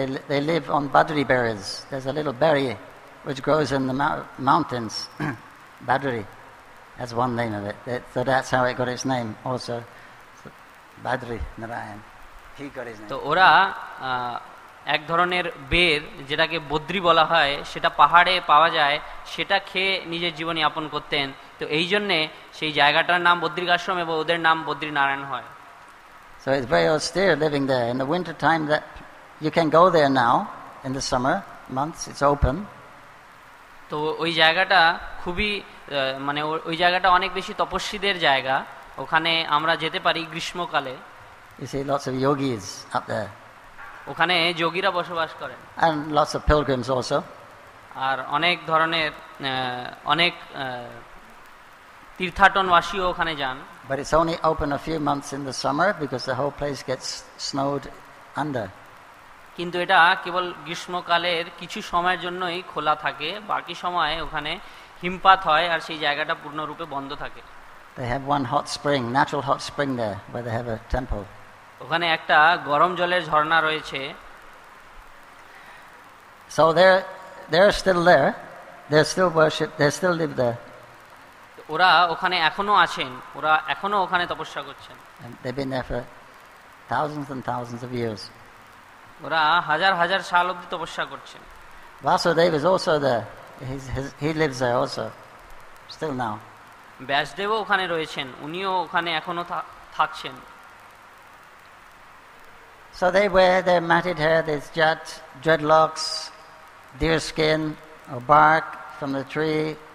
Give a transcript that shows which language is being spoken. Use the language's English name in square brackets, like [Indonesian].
[English] They live on Badri berries. There's a little berry which grows in the mountains. Badri, that's one name of it. So that's how it got its name also. So, Badri Narayan. [Bangla] তো ওরা এক ধরনের বের, যেটাকে বদ্রী বলা হয়, সেটা পাহাড়ে পাওয়া যায়, সেটা খেয়ে নিজের জীবন যাপন করতেন। তো এই জন্যে সেই জায়গাটার নাম বদ্রী আশ্রম এবং ওদের নাম বদ্রীনারায়ণ হয়। [English] So it's very austere living there in the winter time. That you can go there now in the summer months, it's open. [Bangla] তো ওই জায়গাটা খুবই মানে ওই জায়গাটা অনেক বেশি তপস্বীদের জায়গা, ওখানে আমরা যেতে পারি গ্রীষ্মকালে। [English] You see lots of yogis up there. [Bangla] ওখানে যোগীরা বসবাস করেন। [English] And lots of pilgrims also. [Bangla] আর অনেক ধরনের অনেক তীর্থাটনবাসীও ওখানে যান। [English] But it's only open a few months in the summer because the whole place gets snowed under. [Bangla] কিন্তু এটা কেবল গ্রীষ্মকালের কিছু সময়ের জন্যই খোলা থাকে, বাকি সময় ওখানে হিমপাত হয় আর সেই জায়গাটা পূর্ণরূপে বন্ধ থাকে। [English] They have one hot spring, natural hot spring there, where they have a temple. [Bangla] ওখানে একটা গরম জলের ঝর্ণা রয়েছে। [English] So they're still there. They still worship. They still live there. [Bangla] ওরা ওখানে এখনো আছেন, ওরা এখনো ওখানে তপস্যা করছেন। [English] They've been there for thousands and thousands of years. [Bangla] ওরা হাজার হাজার সাল অবধি তপস্যা করছেন। [English] Vasudeva is also there. He lives there also, still now. [Bangla] ব্যাসদেবও ওখানে রয়েছেন, উনিও ওখানে এখনো থাকছেন। [English] So they wear their matted hair, their jet, dreadlocks, deer skin or bark from the tree.